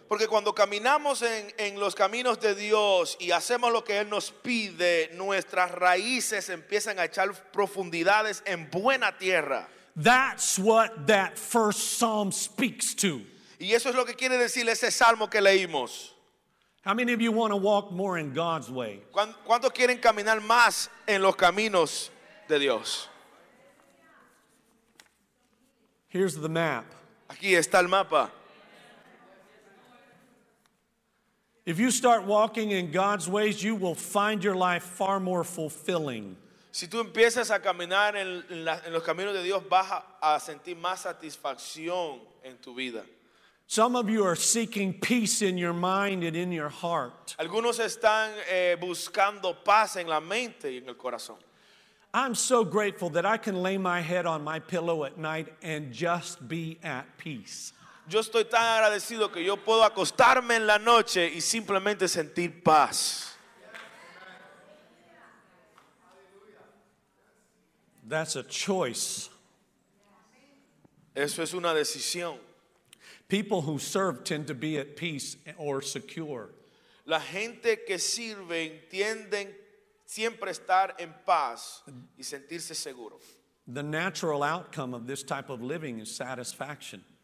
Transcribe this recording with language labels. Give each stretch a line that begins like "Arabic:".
Spanish: Porque cuando caminamos en los caminos de Dios y hacemos lo que Él nos pide, nuestras raíces empiezan a echar profundidades en buena tierra.
English: That's what that first psalm speaks to.
Spanish: Y eso es lo que quiere decir ese salmo que leímos.
English: How many of you want to walk more in God's way?
Spanish: ¿Cuántos quieren caminar más en los caminos de Dios?
English: Here's the map.
Spanish: Aquí está el mapa.
English: If you start walking in God's ways, you will find your life far more fulfilling.
Spanish: Si tú empiezas a caminar en los caminos de Dios, vas a sentir más satisfacción en tu vida.
English: Some of you are seeking peace in your mind and in your heart.
Spanish: Algunos están buscando paz en la mente y en el corazón.
English: I'm so grateful that I can lay my head on my pillow at night and just be at peace.
Spanish: Yo estoy tan agradecido que yo puedo acostarme en la noche y simplemente sentir paz.
English: That's a choice.
Spanish: Eso es una decisión.
English: People who serve tend to be at peace or secure.
Spanish: La gente que sirve tienden siempre estar en paz y sentirse seguro.
English: The natural outcome of this type of living is satisfaction.